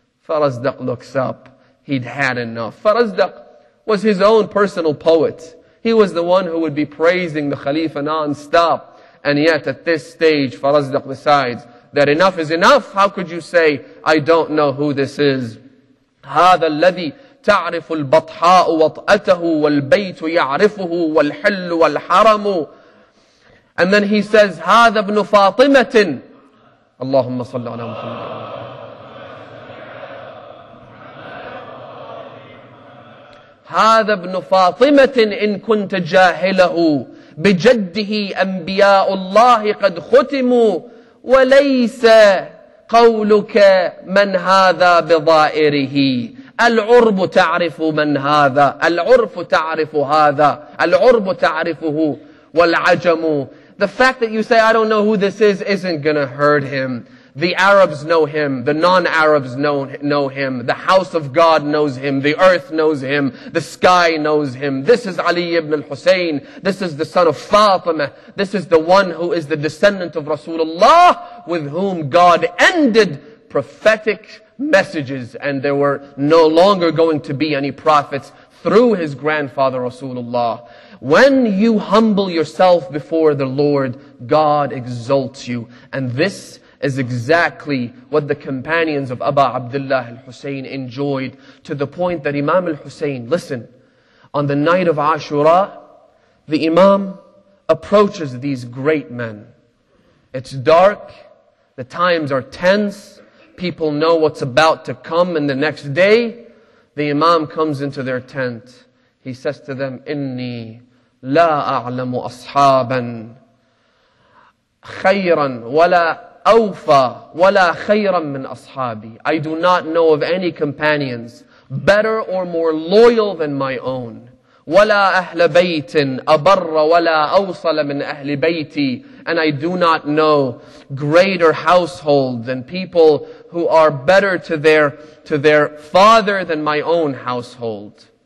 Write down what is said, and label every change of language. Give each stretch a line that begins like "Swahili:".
English: Farazdaq looks up. He'd had enough. Farazdaq was his own personal poet. He was the one who would be praising the Khalifa non-stop. And yet at this stage, Farazdaq decides that enough is enough. How could you say, I don't know who this is?
Arabic: هذا الذي تعرف البطحاء وطأته والبيت يعرفه والحل والحرم.
English: And then he says,
Arabic: هذا ابن فاطمة. اللهم صل على محمد. هذا ابن فاطمة إن كنت جاهله بجده أنبياء الله قد ختموا وليس قولك من هذا بظائره. العرب تعرف من هذا، العرف تعرف هذا، العرب تعرفه والعجم.
English: The fact that you say I don't know who this is isn't gonna hurt him. The Arabs know him. The non-Arabs know him. The house of God knows him. The earth knows him. The sky knows him. This is Ali ibn al-Husayn. This is the son of Fatima. This is the one who is the descendant of Rasulullah with whom God ended prophetic messages. And there were no longer going to be any prophets through his grandfather Rasulullah. When you humble yourself before the Lord, God exalts you. And this is exactly what the companions of Abu Abdullah al-Husayn enjoyed, to the point that Imam al-Husayn, listen, on the night of Ashura, the Imam approaches these great men. It's dark, the times are tense, people know what's about to come, and the next day, the Imam comes into their tent. He says to them,
Arabic: إِنِّي لَا أَعْلَمُ أَصْحَابًا خَيْرًا وَلَا أَوْفَى وَلَا خَيْرًا مِّنْ أَصْحَابِي.
English: I do not know of any companions better or more loyal than my own.
Arabic: وَلَا أَهْلَ بَيْتٍ أَبَرَّ وَلَا أَوْصَلَ مِنْ أَهْلِ بَيْتِي.
English: And I do not know greater household than people who are better to their father than my own household.